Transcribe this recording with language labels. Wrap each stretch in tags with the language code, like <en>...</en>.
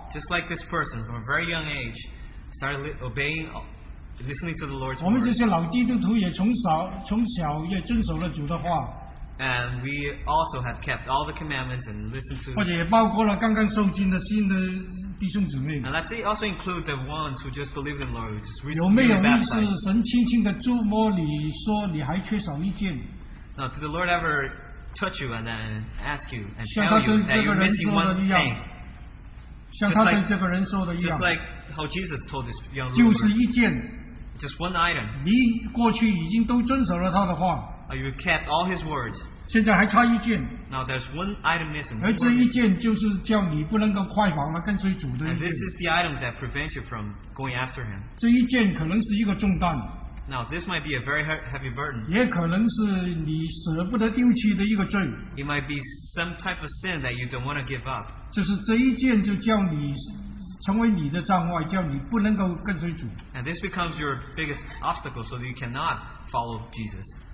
<en>just like this person, from a very young age, started obeying, listening to the Lord's word.</en> <zh>我们这些老基督徒也从小也遵守了主的话。</zh> <en>And we also have kept all the commandments and listened to.</en> <zh>或者也包括了刚刚受浸的新的弟兄姊妹。</zh> <en>And let's also include the ones who just believed in the Lord, who just recently.</en> <zh>有没有意思神轻轻的触摸你说你还缺少一件？</zh> <en>Now, did the Lord ever touch you and then ask you and tell you that you're missing one thing?</en> <zh>像他对这个人说的一样。</zh> <en>Just like how Jesus told this young ruler,</en> <zh>就是一件,</zh> <en>just one item.</en> <zh>你过去已经都遵守了他的话,</zh> <en>you kept all his words.</en> <zh>现在还差一件,</zh> <en>now there's one item missing.</en> <zh>而这一件就是叫你不能够快跑了跟随主的一件。</zh> <en>And this is the item that prevents you from going after him.</en> <zh>这一件可能是一个重担,</zh> <en>now this might be a very heavy burden.</en> <zh>也可能是你舍不得丢弃的一个罪。</zh> <en>It might be some type of sin that you don't want to give up.</en> <zh>就是这一件就叫你 成为你的障碍，叫你不能够跟随主。</zh> <en>And this becomes your biggest obstacle, so that you cannot follow Jesus.</en>